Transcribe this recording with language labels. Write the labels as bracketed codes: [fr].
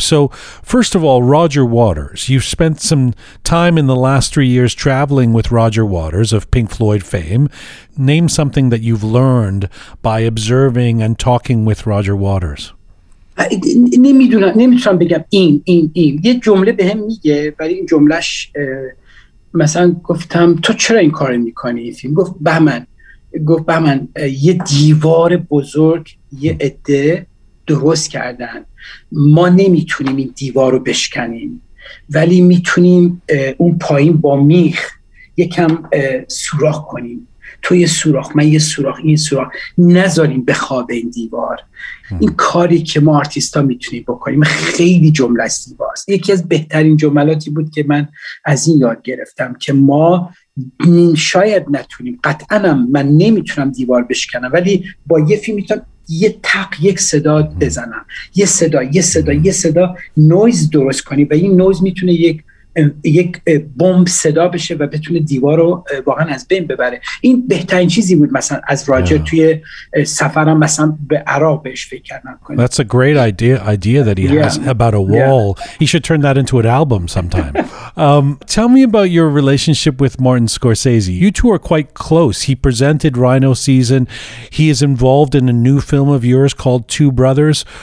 [en] So first of all, Roger Waters, you've spent some time in the last 3 years traveling with Roger Waters of Pink Floyd fame. Name something that you've learned by observing and talking with Roger Waters. [fa] نمیتونم بگم این یه جمله به هم میگه، ولی این جملهش مثلا گفتم تو چرا این کار میکنی؟ فیلم گفت بهمن، گفت بهمن یه دیوار بزرگ یه عده درست کردن، ما نمیتونیم این دیوار رو بشکنیم ولی میتونیم اون پایین با میخ یکم سوراخ کنیم، تو یه سوراخ، من یه سوراخ، این سوراخ، نذاریم بخوابه این دیوار. این کاری که ما آرتیستا میتونیم بکنیم. خیلی جمله زیباست، یکی از بهترین جملاتی بود که من از این یاد گرفتم که ما شاید نتونیم، قطعا من نمیتونم دیوار بشکنم، ولی با یه فیلم میتونم یه تق، یک صدا بزنم، یه صدا نویز درست کنی و این نویز میتونه یک بمب صدا بشه و بتونه دیوار رو واقعا از بین ببره. این بهترین چیزی بود مثلا از راجر توی سفرم مثلا به عراق بهش فکر کردم. [en] That's a great idea that he has about a wall. He should turn that into an album sometime. tell me about your relationship with Martin Scorsese. You two are quite close. He presented Rhino Season. He is involved in a new film of yours called Two Brothers.